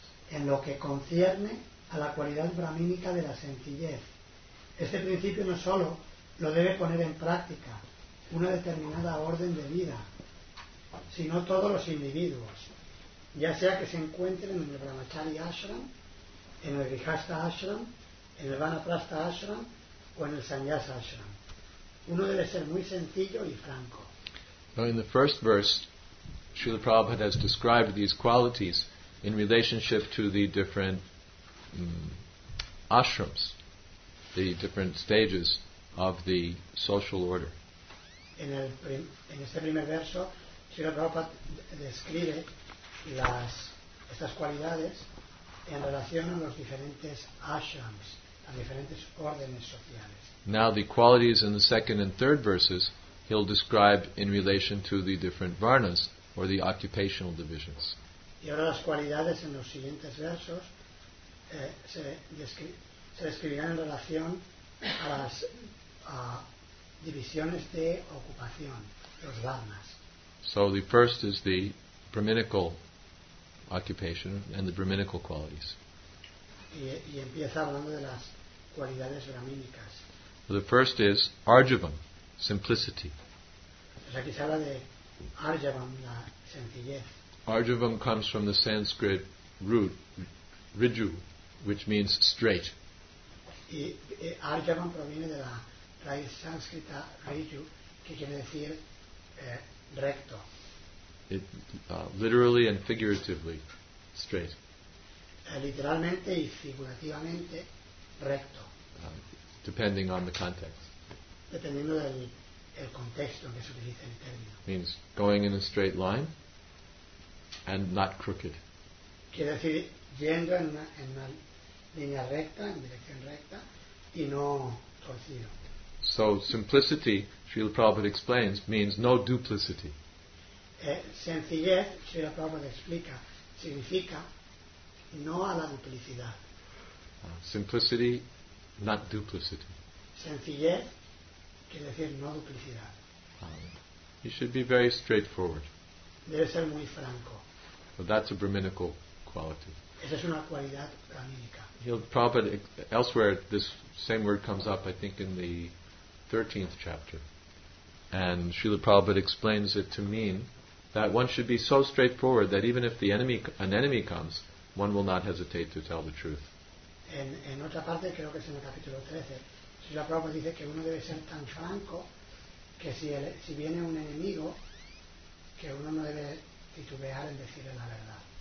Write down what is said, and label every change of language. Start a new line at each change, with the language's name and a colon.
Spanish: En lo que concierne a la cualidad brahmínica de la sencillez, este principio no solo lo debe poner en práctica una determinada orden de vida, sino todos los individuos, ya sea que se encuentren en el Brahmachari Ashram, en el Grihastha Ashram, en el Vanaprastha Ashram o en el Sannyasa Ashram. Uno debe ser muy sencillo y franco.
English: Now in the first verse, Srila Prabhupada has described these qualities in relationship to the different ashrams, the different stages of the social order.
Spanish: En este primer verso, Srila Prabhupada describe estas cualidades en relación a los diferentes ashrams, a diferentes órdenes sociales.
English: Now the qualities in the second and third verses he'll describe in relation to the different varnas, or the occupational divisions.
Spanish: Y ahora las cualidades en los siguientes versos se describirán en relación a las divisiones de ocupación, los varnas.
English: So the first is the brahminical occupation and the brahminical qualities.
Spanish: Y empieza hablando de las cualidades brahmínicas.
English: The first is arjavam, simplicity.
Spanish: Pues aquí se habla de arjavam, la sencillez.
English: Arjavam comes from the Sanskrit root riju, which means straight.
Spanish: Y arjavam proviene de la raíz sánscrita riju, que quiere decir recto.
English: It literally and figuratively straight.
Spanish: Literalmente y figurativamente recto.
English: Depending on the context.
Spanish: Dependiendo del el contexto en que se utiliza el término.
English: Means going in a straight line and not crooked.
Spanish: Quiere decir yendo en una línea recta, en dirección recta, y no torcido.
English: So simplicity, Srila Prabhupada explains, means no duplicity.
Spanish: Sencillez, Srila Prabhupada explica, significa no a la duplicidad.
English: Simplicity, not duplicity.
Spanish: Sencillez quiere decir no duplicidad.
English: You should be very straightforward.
Spanish: Debe ser muy franco.
English: Well, that's a brahminical quality.
Spanish: Esa es una cualidad brahmínica.
English: Prabhupada, elsewhere, this same word comes up, I think, in the 13th chapter. And Srila Prabhupada explains it to mean that one should be so straightforward that even if an enemy comes, one will not hesitate to tell the truth.
Spanish: En otra parte, creo que es en el capítulo 13, Srila Prabhupada dice que uno debe ser tan franco que si viene un enemigo, que uno no debe titubear en decirle la verdad.